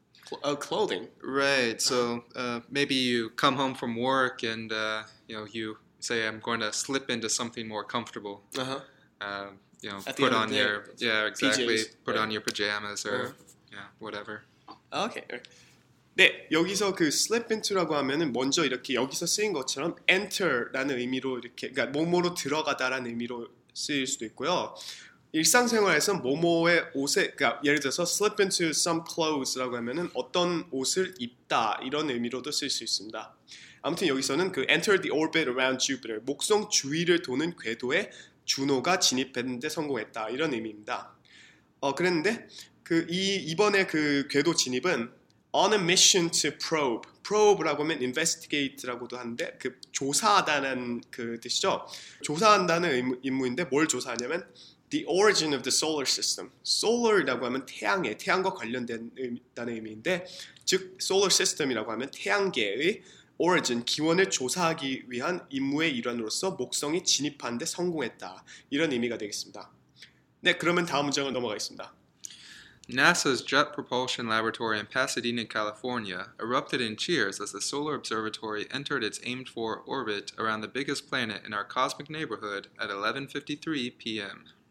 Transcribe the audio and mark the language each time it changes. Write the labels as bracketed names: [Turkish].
[English] Clothing? Right. So maybe you come home from work and you know, you say, I'm going to slip into something more comfortable. You know, put on your, put on your pajamas or whatever. Okay. [Korean] 네, 여기서 그 slip into라고 하면은 먼저 이렇게 여기서 쓰인 것처럼 enter라는 의미로 이렇게, 그러니까 몸으로 들어가다라는 의미로 쓰일 수도 있고요. 일상생활에서 뭐뭐의 옷에, 그러니까 예를 들어서 [English] slip into some clothes [Korean] 라고 하면은 어떤 옷을 입다 이런 의미로도 쓸 수 있습니다. 아무튼 여기서는 그 [English] enter the orbit around Jupiter, [Korean] 목성 주위를 도는 궤도에 주노가 진입했는데 성공했다 이런 의미입니다. 그랬는데 그 이번에 그 궤도 진입은 [English] on a mission to probe, [Korean] probe라고 하면 investigate라고도 하는데 그 조사하다는 그 뜻이죠. 조사한다는 임무인데 뭘 조사하냐면 [English] The origin of the solar system. [Korean] Solar이라고 하면 태양에, 태양과 관련된다는 의미인데, 즉 solar system이라고 하면 태양계의 origin, 기원을 조사하기 위한 임무의 일환으로서 목성이 진입한 데 성공했다. 이런 의미가 되겠습니다. 네, 그러면 다음 문장으로 넘어가겠습니다. [English] NASA's Jet Propulsion Laboratory in Pasadena, California erupted in cheers as the Solar Observatory entered its aimed-for orbit around the biggest planet in our cosmic neighborhood at 11:53 p.m.